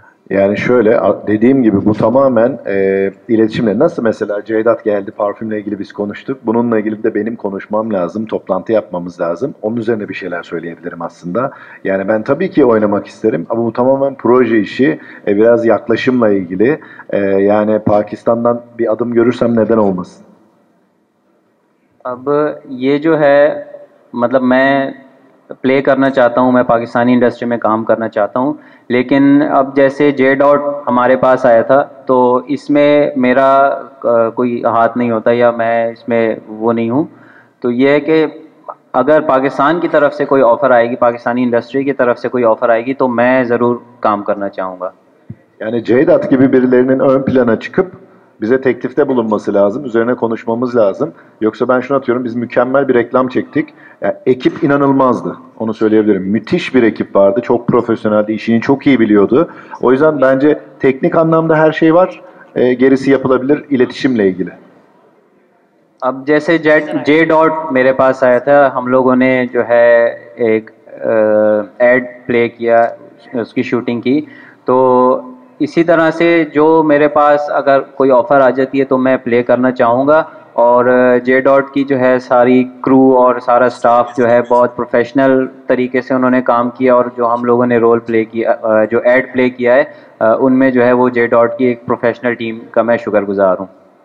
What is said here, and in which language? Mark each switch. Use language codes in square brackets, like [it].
[tr] Yani şöyle dediğim gibi bu tamamen iletişimle nasıl mesela Ceydat geldi parfümle ilgili biz konuştuk. Bununla ilgili de benim konuşmam lazım, toplantı yapmamız lazım. Onun üzerine bir şeyler söyleyebilirim aslında. Yani ben tabii ki oynamak isterim ama bu tamamen proje işi, biraz yaklaşımla ilgili. Yani Pakistan'dan bir adım görürsem neden olmasın? [hi] Abi ye jo hai matlab main play करना चाहता हूँ, मैं Pakistani industry में काम करना चाहता हूँ, लेकिन अब जैसे जे डॉट हमारे पास आया था तो इसमें मेरा कोई हाथ नहीं होता या मैं इसमें वो नहीं हूँ। तो ये है कि अगर पाकिस्तान की तरफ से कोई ऑफर आएगी, पाकिस्तानी इंडस्ट्री की तरफ से कोई ऑफर आएगी तो मैं ज़रूर काम करना चाहूँगा। [tr] यानी जेडॉट की भी बिरलेरिनिन ön plana çıkıp bize teklifte bulunması lazım, üzerine konuşmamız lazım. Yoksa ben şunu atıyorum, biz mükemmel bir reklam çektik. Yani ekip inanılmazdı, onu söyleyebilirim. Müthiş bir ekip vardı, çok profesyoneldi, işini çok iyi biliyordu. O yüzden bence teknik anlamda her şey var, gerisi yapılabilir iletişimle ilgili. [hi] Ab jaise J dot mere paas aaya tha, hum logon ne jo hai ek ad play kiya uski shooting ki, to इसी तरह से जो मेरे पास अगर कोई offer आ जाती है तो मैं प्ले करना चाहूँगा। और जे डॉट की जो है सारी क्रू और सारा स्टाफ जो है बहुत प्रोफेशनल तरीके से उन्होंने काम किया और जो हम लोगों ने रोल प्ले किया, जो एड प्ले किया है उनमें जो है वो जे डॉट की एक प्रोफेशनल टीम का मैं शुक्रगुजार हूँ।